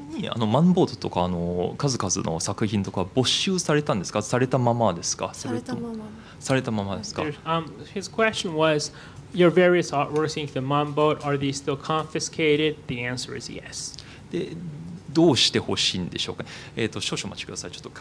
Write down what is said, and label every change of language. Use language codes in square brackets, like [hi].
[ja] あの、マンボートとかあの、数々の作品とか没収されたんですか?されたままですか?されたままですか? [en] His question was, your various artworks in the Manboat, are they still confiscated? The answer is yes. [ja] で、どうして欲しいんでしょうか?少々お待ちください。